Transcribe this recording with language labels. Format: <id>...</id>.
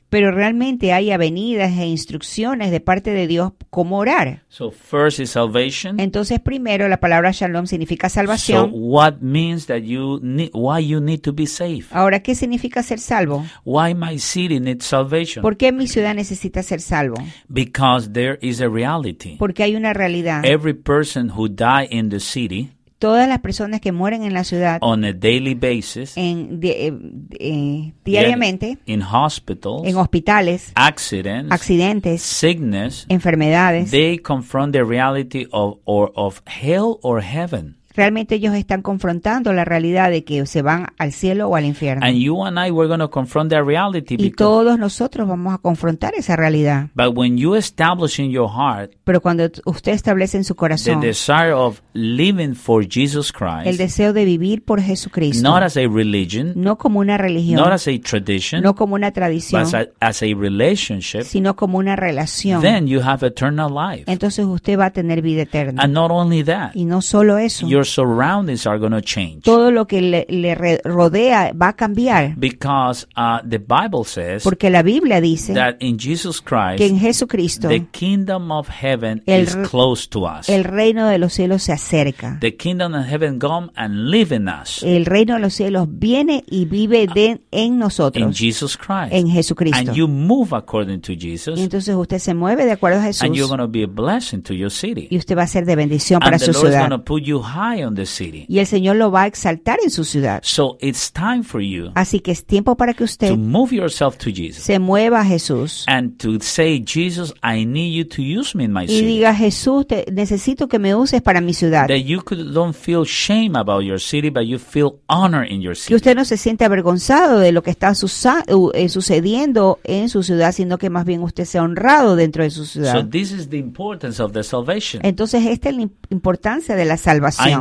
<es>Pero realmente hay avenidas e instrucciones de parte de Dios cómo orar.</es> <en>So first is salvation.</en> <es>Entonces primero la palabra shalom significa salvación.</es> <en>So what means that you need, why you need to be saved?</en> <es>Ahora, ¿qué significa ser salvo?</es> <en>Why my city needs salvation?</en> <es>¿Por qué mi ciudad necesita ser salvo?</es> <en>Because there is a reality.</en> <es>Porque hay una realidad.</es> <en>Every person who die in the city,</en> <es>todas las personas que mueren en la ciudad,</es> <en>on a daily basis,</en> <es>diariamente,</es> <en>in hospitals,</en> <es>en hospitales, accidentes,</es> <en>sickness,</en> <es>enfermedades,</es> <en>they confront the reality of hell or heaven.</en> <es>Realmente ellos están confrontando la realidad de que se van al cielo o al infierno.</es> <en>And you and I, we're going to confront that reality.</en> <es>Y todos nosotros vamos a confrontar esa realidad.</es> <en>But when you establish in your heart,</en> <es>pero cuando usted establece en su corazón,</es> <en>the desire of living for Jesus Christ,</en> <es>el deseo de vivir por Jesucristo,</es> <en>not as a religion,</en> <es>no como una religión,</es> <en>not as a tradition,</en> <es>no como una tradición,</es> <en>but as a relationship,</en> <es>sino como una relación,</es> <en>then you have eternal life.</en> <es>Entonces usted va a tener vida eterna.</es> <en>And not only that,</en> <es>y no solo eso,</es> <en>your surroundings are going to change.</en> <es>Todo lo que le rodea va a cambiar.</es> <en>Because the Bible says,</en> <es>porque la Biblia dice,</es> <en>that in Jesus Christ,</en> <es>que en Jesucristo,</es> <en>the kingdom of heaven is close to us.</en> <es>El reino de los cielos se acerca.</es> <en>The kingdom of heaven come and live in us.</en> <es>El reino de los cielos viene y vive en nosotros.</es> <en>In Jesus Christ.</en> <es>En Jesucristo.</es> <en>And you move according to Jesus.</en> <es>Y entonces usted se mueve de acuerdo a Jesús.</es> <en>And you're going to be a blessing to your city.</en> <es>Y usted va a ser de bendición para su</es> <en>Lord</en> <es>ciudad.</es> <en>And the Lord is going to put you high on the city.</en> <es>Y el Señor lo va a exaltar en su ciudad.</es> <en>So it's time for you.</en> <es>Así que es tiempo para que usted</es> <en>to move yourself to Jesus.</en> <es>Se mueva a Jesús.</es> <en>And to say, Jesus, I need you to use me in my</en> <es>y</es> <en>city.</en> <es>Y diga, Jesús, necesito que me uses para mi ciudad.</es> <en>That you could don't feel shame about your city, but you feel honor in your city.</en> <es>Que usted no se siente avergonzado de lo que está sucediendo en su ciudad, sino que más bien usted sea honrado dentro de su ciudad.</es> <en>So this is the importance of the salvation.</en> <es>Entonces esta es la importancia de la salvación.</es>